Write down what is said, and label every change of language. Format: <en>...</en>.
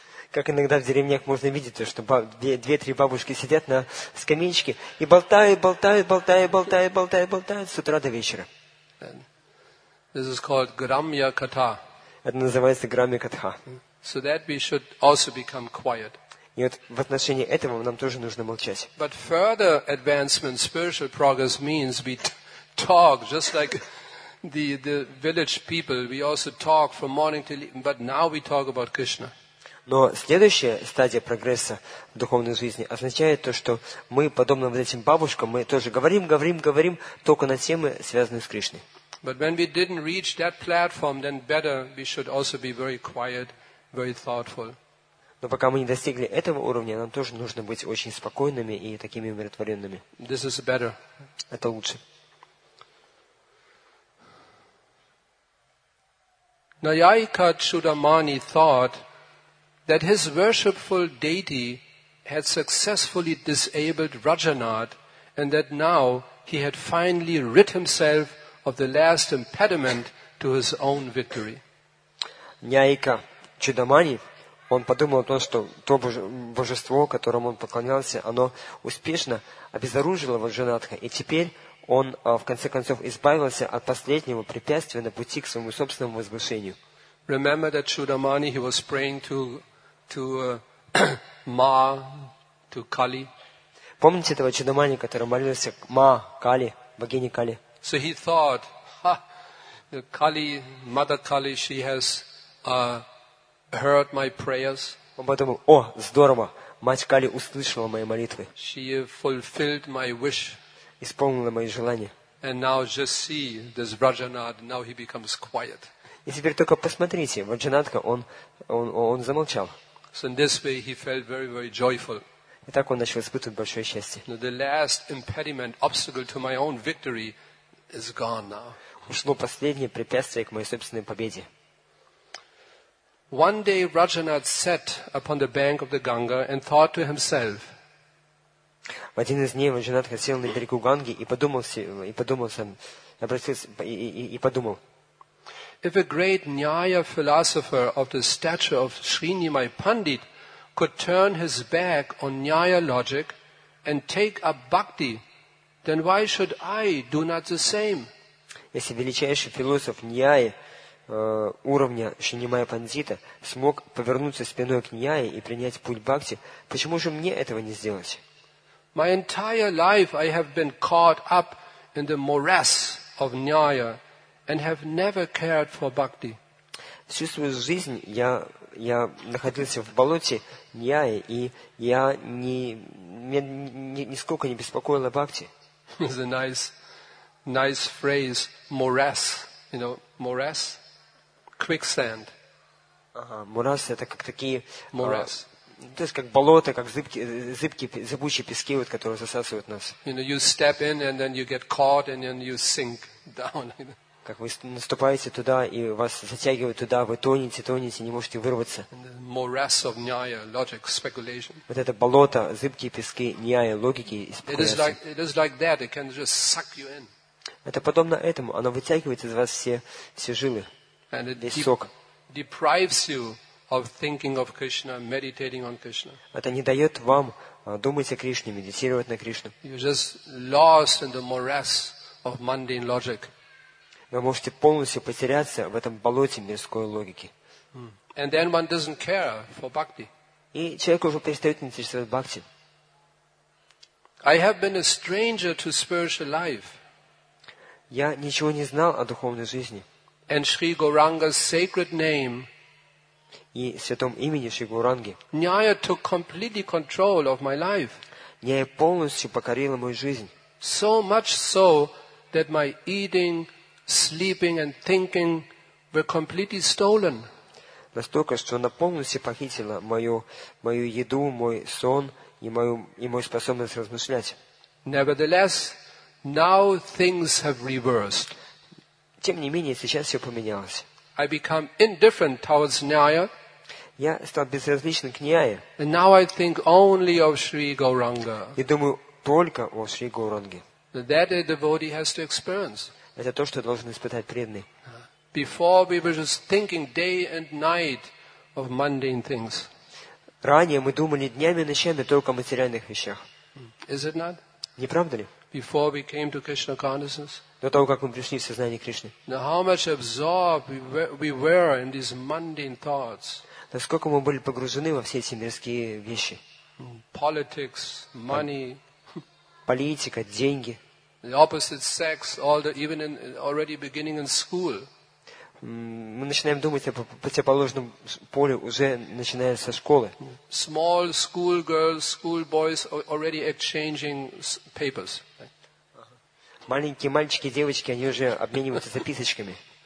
<ru>Как иногда в деревнях можно видеть, что две-три бабушки сидят на скамеечке и болтают с утра до вечера.</ru> <en>This is called Грамья Ката.</en> <ru>Это называется Грамья Катха.</ru> <en>So that we should also become quiet.</en> <ru>И вот в отношении этого нам тоже нужно молчать.</ru> <en>But further advancement, spiritual progress means we talk just like the village people. We also talk from morning till evening, but now we talk about Krishna.</en> <ru>Но следующая стадия прогресса в духовной жизни означает то, что мы, подобно вот этим бабушкам, мы тоже говорим только на темы, связанные с Кришной.</ru> <en>But when we didn't reach that platform, then better we should also be very quiet, very thoughtful.</en> <ru>Но пока мы не достигли этого уровня, нам тоже нужно быть очень спокойными и такими умиротворенными.</ru> <en>This is better.</en> <ru>Это лучше.</ru> <en>Nayayika Chudamani thought that his worshipful deity had successfully disabled Rajanath and that now he had finally rid himself of the last impediment to his own victory.</en> <ru>Nayayika Chudamani, он подумал о том, что то божество, которому он поклонялся, оно успешно обезоружило Раджанатха, и теперь он, в конце концов, избавился от последнего препятствия на пути к своему собственному возвышению.</ru> <en>Remember that Chudamani, he was praying to Ma, to Kali.</en> <ru>Помните этого Чудамани, который молился к Ма, Кали, богине Кали?</ru> <en>So he thought, ha, Kali, Mother Kali, she has heard my prayers.</en> <ru>Он подумал, о, здорово, мать Кали услышала мои молитвы.</ru> <en>She fulfilled my wish.</en> <ru>Исполнила мои желания.</ru> <en>And now just see this Rajanath, now he becomes quiet.</en> <ru>И теперь только посмотрите, Раджанатха, он замолчал.</ru> <en>So in this way he felt very, very joyful.</en> <ru>И так он начал испытывать большое счастье.</ru> <en>Now the last impediment, obstacle to my own victory is gone now.</en> <ru>Ушло последнее препятствие к моей собственной победе.</ru> <en>One day Rajanath sat upon the bank of the Ganga and thought to himself.</en> <ru>В один из дней Раджанатха сел на берегу Ганги и подумал.</ru> <en>If a great Nyaya philosopher of the stature of Srinimai Pandit could turn his back on Nyaya logic and take up bhakti, then why should I do not the same?</en> <ru>Если величайший философ Nyaya уровня Шинимая Пандита смог повернуться спиной к Ньяе и принять путь бхакти, почему же мне этого не сделать?</ru> <en>My entire life I have been caught up in the morass of Nyaya and have never cared for bhakti.</en> <ru>Всю свою жизнь я находился в болоте Ньяи, и я нисколько не беспокоила бхакти.</ru> <en>It's a nice phrase, morass. You know, morass? Quicksand.</en> <ru>Morass — это как такие...</ru> <en>Morass.</en> <ru>То есть как болото, как зыбучие пески, вот, которые засасывают нас.</ru> <en>You know, you step in and then you get caught and then you sink down.</en> <ru>Как вы наступаете туда, и вас затягивают туда, вы тонете, не можете вырваться.</ru> <en>Morass of Nyaya, logic, speculation.</en> <ru>Вот это болото, зыбкие пески, Ньяя, логики и спекуляции.</ru> <en>It is like that. It can just suck you in.</en> <ru>Это подобно этому. Оно вытягивает из вас все жилы,</ru> <en>and it</en> <ru>весь сок.</ru> <en>Deprives you of thinking of Krishna, meditating on Krishna.</en> <ru>Это не дает вам думать о Кришне, медитировать на Кришну.</ru> <en>You're just lost in the morass of mundane logic.</en> <ru>Вы можете полностью потеряться в этом болоте мирской логики.</ru> <en>And then one doesn't care for bhakti.</en> <ru>И человек уже перестает интересоваться бхакти.</ru> <en>I have been a stranger to spiritual life.</en> <ru>Я ничего не знал о духовной жизни.</ru> <en>And Sri Gauranga's sacred name.</en> <ru>И святом имени Шри Гауранги.</ru> <en>Nyaya took completely control of my life.</en> <ru>Нья полностью покорила мою жизнь.</ru> <en>So much so that my eating, sleeping and thinking were completely stolen.</en> <ru>Настолько, что она полностью похитила мою еду, мой сон и мою способность размышлять.</ru> <en>Nevertheless, now things have reversed.</en> <ru>Тем не менее, сейчас все поменялось.</ru> <en>I become indifferent towards Nyaya.</en> <ru>Я стал безразличен к Ньяе.</ru> <en>And now I think only of Sri Gauranga.</en> <ru>И думаю только о Шри Гауранге.</ru> <en>That a devotee has to experience.</en> <ru>Это то, что должен испытать преданный.</ru> <en>Before we were just thinking day and night of mundane things.</en> <ru>Ранее мы думали днями и ночами только о материальных вещах.</ru> <en>Is it not?</en> <ru>Не правда ли?</ru> <en>Before we came to Krishna consciousness.</en> <ru>До того, как мы пришли в сознание Кришны.</ru> <en>Now how much absorbed we were in these mundane thoughts.</en> <ru>Насколько мы были погружены во все эти мирские вещи.</ru> <en>Politics, money.</en> <ru>Политика, деньги.</ru> <en>The opposite sex, even in already beginning in school.</en> <ru>Мы начинаем думать о противоположном поле уже начиная со школы.</ru> <en>Small school girls, school boys already exchanging papers.</en> <ru>Маленькие мальчики, девочки, они уже обмениваются записочками.</ru>